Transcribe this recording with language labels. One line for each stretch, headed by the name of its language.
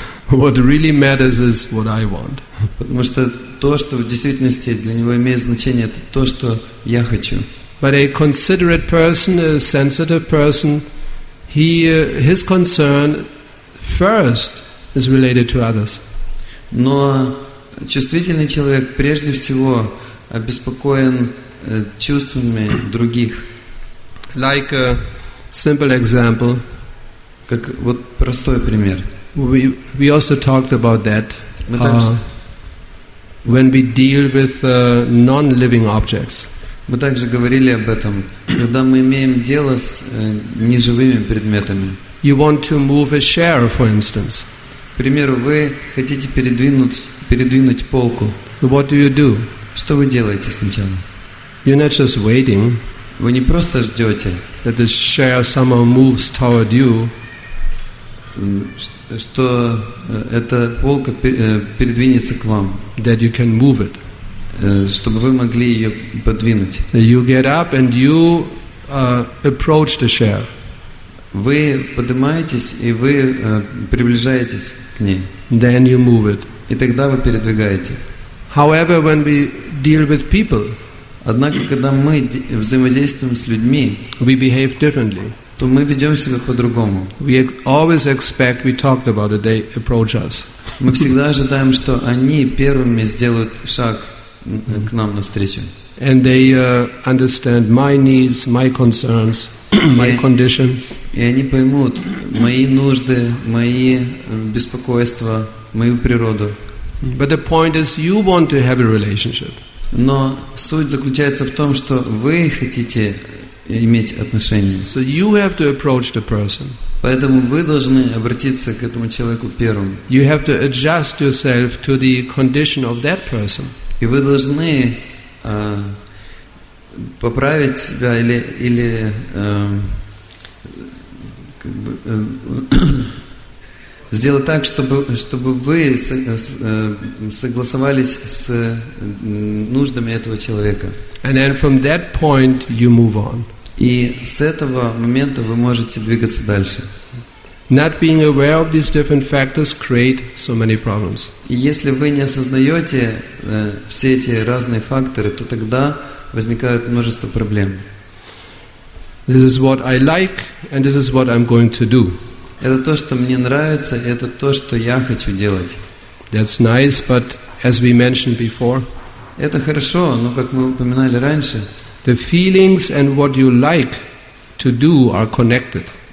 English: What really matters is what I want.
Russian: Потому что то, что в действительности для него имеет значение, это то, что я хочу.
English: But a considerate person, a sensitive person, his concern first is related to others.
Russian: Но чувствительный человек прежде всего обеспокоен чувствами других.
English: Like a simple example.
Russian: Как вот простой пример.
English: We also talked about that.
Russian: Мы также.
English: When we deal with non-living objects.
Russian: Мы также говорили об этом, когда мы имеем дело с неживыми предметами.
English: You want to move a chair, for instance.
Russian: К примеру, вы хотите передвинуть полку.
English: What do you do?
Russian: Что вы делаете сначала?
English: You're not just waiting.
Russian: Вы не просто ждете.
English: That the chair somehow moves toward you.
Russian: Что эта полка передвинется к вам.
English: That you can move it.
Russian: Чтобы вы могли ее подвинуть.
English: You get up and you approach the chair.
Russian: Вы поднимаетесь и вы приближаетесь к ней.
English: Then you move it.
Russian: И тогда вы передвигаете.
English: However, when we deal with people,
Russian: однако, когда мы взаимодействуем с людьми,
English: we behave differently.
Russian: То мы ведем себя по-другому.
English: We always expect, we talked about it, they approach us.
Russian: Мы всегда ожидаем, что они первыми сделают шаг к нам навстречу.
English: And they understand my needs, my concerns, my condition.
Russian: И они поймут мои нужды, мои беспокойства, мою природу.
English: But the point is, you want to have a relationship.
Russian: Но суть заключается в том, что вы хотите иметь отношения.
English: So you have to approach the person.
Russian: Поэтому вы должны обратиться к этому человеку первым.
English: You have to adjust yourself to the condition of that person.
Russian: И вы должны поправить себя или как бы, сделать так, чтобы вы согласовались с нуждами этого человека.
English: And then from that point you move on.
Russian: И с этого момента вы можете двигаться дальше.
English: Not being aware of these different factors create so many problems.
Russian: И если вы не осознаете все эти разные факторы, то тогда возникают множество проблем.
English: This is what I like, and this is what I'm going to do.
Russian: Это то, что мне нравится, и это то, что я хочу делать.
English: That's nice, but as we mentioned before.
Russian: Это хорошо, но как мы упоминали раньше.
English: The feelings and what you like to do are connected.